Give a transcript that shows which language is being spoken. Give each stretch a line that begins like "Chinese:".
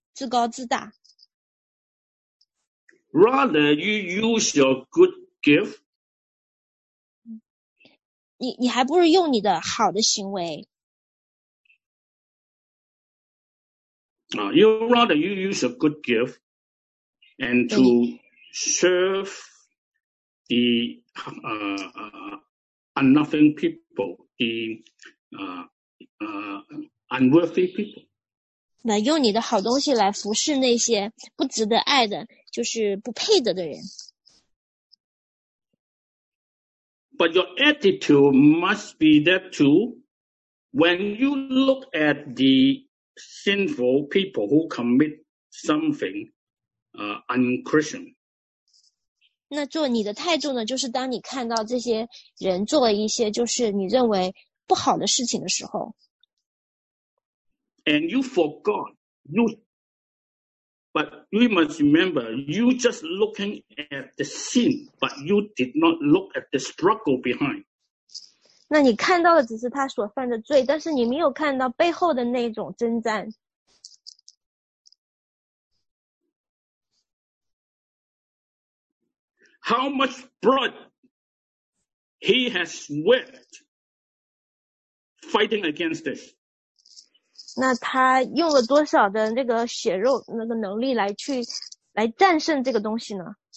Chinese: 自高自大。
English: Rather, you use your good gift.
Chinese: 你还不如用你的好的行为。
English: You rather you use a good gift and to serve the nothing people, the unworthy people.
Chinese: 那用你的好东西来服侍那些不值得爱的，就是不配得的人。
English: But your attitude must be that too. When you look at the sinful people who commit something, unchristian.
Chinese: 那做你的态度呢？就是当你看到这些人做了一些就是你认为不好的事情的时候。
English: And you forgot, you, but we must remember, you just looking at the sin, but you did not look at the struggle behind.
Chinese: 那你看到的只是他所犯的罪，但是你没有看到背后的那种征战。
English: How much blood he has sweat fighting against this?
Chinese: 那他用了多少的那个血肉那个能力来战胜这个东西呢